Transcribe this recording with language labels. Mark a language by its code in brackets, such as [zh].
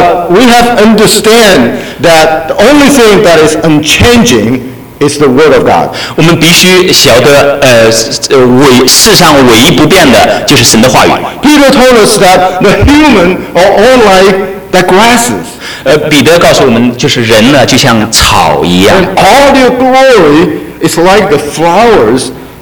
[en] We have understand that the only thing that is unchanging is the word of God. [zh] 我们必须晓得，世上唯一不变的就是神的话语。 [en] Peter told us that the human are all like the grasses. [zh] 彼得告诉我们，就是人呢，就像草一样。 [en] And all their glory is like the flowers.